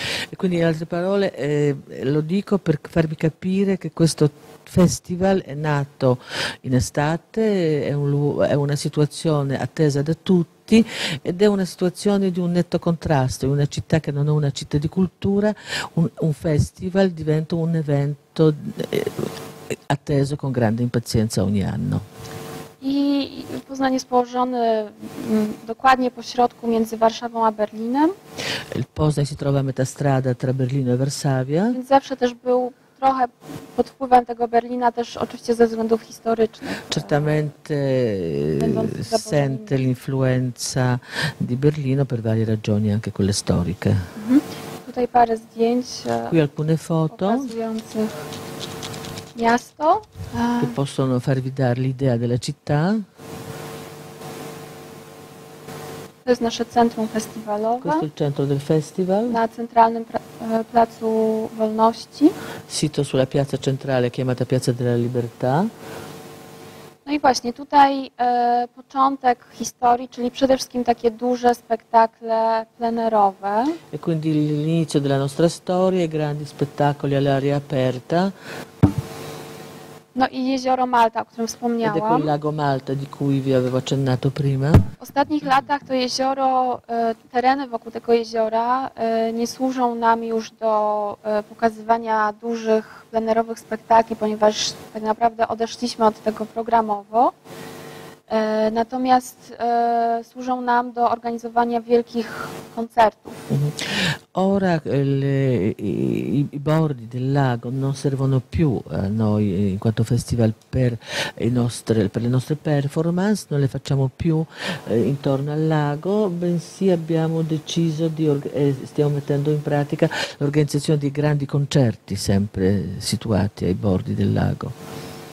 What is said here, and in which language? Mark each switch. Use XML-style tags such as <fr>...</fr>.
<it>E quindi, in altre parole, lo dico per farvi capire che questo festival è nato in estate, è una situazione attesa da tutti ed è una situazione di un netto contrasto. In una città che non è una città di cultura, un festival diventa un evento atteso con grande impazienza ogni anno.</it> <pl>I Poznań jest położony dokładnie po środku między Warszawą a Berlinem.</pl> <it>Il Poznań si trova a metà strada tra Berlino e Varsavia.</it> <pl>Więc zawsze też był trochę pod wpływem tego Berlina, też oczywiście ze względów historycznych.</pl> <it>Certamente sente l'influenza di Berlino per varie ragioni anche quelle storiche.</it> <pl>Tutaj parę zdjęć.</pl> <it>Qui alcune foto.</it> <pl>Miasto.</pl> <it>Che possono farvi dare l'idea della città.</it> <pl>To jest nasze centrum festiwalowe.</pl> <it>Questo è il centro del festival.</it> <pl>Na centralnym placu Wolności.</pl> <it>Sito sulla piazza centrale chiamata Piazza della Libertà.</it> <pl>No i właśnie tutaj początek historii, czyli przede wszystkim takie duże spektakle plenerowe.</pl> <it>E quindi l'inizio della nostra storia, i grandi spettacoli all'aria aperta.</it> <pl>No i jezioro Malta, o którym</pl> <it>Ed è quel lago Malta di cui vi avevo accennato prima.</it> <pl>Ostatnich latach to jezioro, tereny wokół tego jeziora nie służą nam już do pokazywania dużych plenerowych spektakli, ponieważ tak naprawdę odeszliśmy od tego programowo. Natomiast służą nam do organizowania wielkich koncertów.</pl> <it>Ora i bordi del lago non servono più noi in quanto festival per le nostre performance, non le facciamo più intorno al lago, bensì abbiamo deciso di stiamo mettendo in pratica l'organizzazione di grandi concerti sempre situati ai bordi del lago.</it>